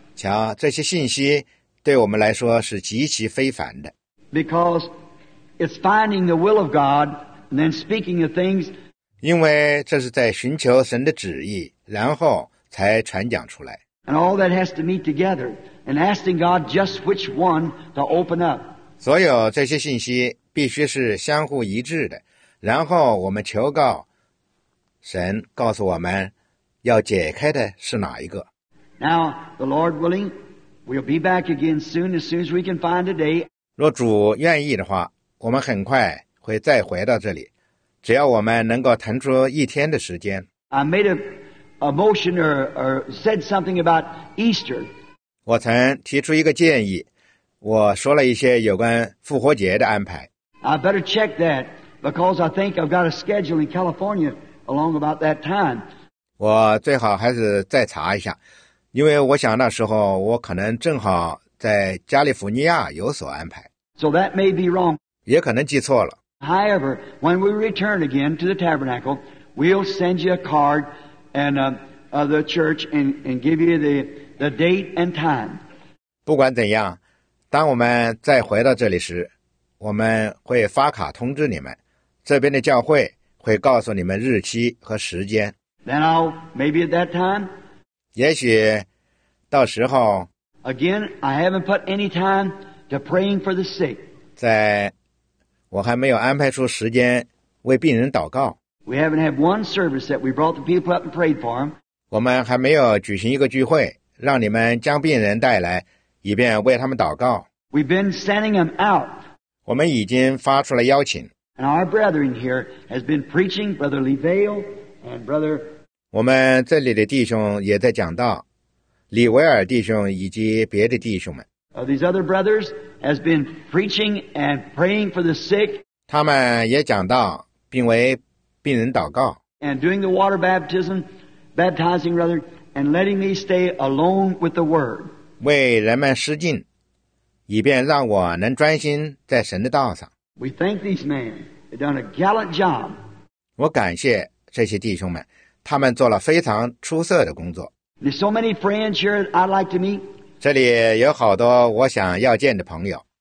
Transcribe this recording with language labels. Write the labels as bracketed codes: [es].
[zh] 瞧，这些信息对我们来说是极其非凡的。 [en] Because it's finding the will of God and then speaking the things. [zh] 因为这是在寻求神的旨意，然后才传讲出来。 [en] And all that has to meet together and asking God just which one to open up. [zh] 所有这些信息必须是相互一致的，然后我们求告神告诉我们要解开的是哪一个。 [en] Now, the Lord willing, we'll be back again soon, as soon as we can find a day. [zh] 若主愿意的话，我们很快会再回到这里，只要我们能够腾出一天的时间。 [en] I made a motion or said something about Easter. [zh] 我曾提出一个建议，我说了一些有关复活节的安排。 [en] I better check that because I think I've got a schedule in California. Along about that time. [zh] 我最好还是再查一下，因为我想那时候我可能正好在加利福尼亚有所安排。 [en] So that may be wrong. [zh] 也可能记错了。 [en] However, when we return again to the tabernacle, we'll send you a card and the church and give you the date and time. [zh] 不管怎样，当我们再回到这里时，我们会发卡通知你们，这边的教会会告诉你们日期和时间。 [en] Then I'll maybe at that time. [zh] 也许到时候。 [en] Again, I haven't put any time to praying for the sick. [zh] 在我还没有安排出时间为病人祷告。 [en] We haven't had one service that we brought the people up and prayed for them. [zh] 我们还没有举行一个聚会，让你们将病人带来，以便为他们祷告。 [en] We've been sending them out. [zh] 我们已经发出了邀请。 [en] And our brethren here has been preaching, Brother Levale and Brother. [zh] 我们这里的弟兄也在讲道，李维尔弟兄以及别的弟兄们。 [en] These other brothers has been preaching and praying for the sick. [zh] 他们也讲道，并为病人祷告。 [en] And doing the water baptizing rather, and letting me stay alone with the Word. [zh] 为人们施浸，以便让我能专心在神的道上。 [en] We thank these men. They've done a gallant job. [zh] 我感谢这些弟兄们，他们做了非常出色的工作。 [en] There's so many friends here I'd like to meet. [zh] 这里有好多我想要见的朋友。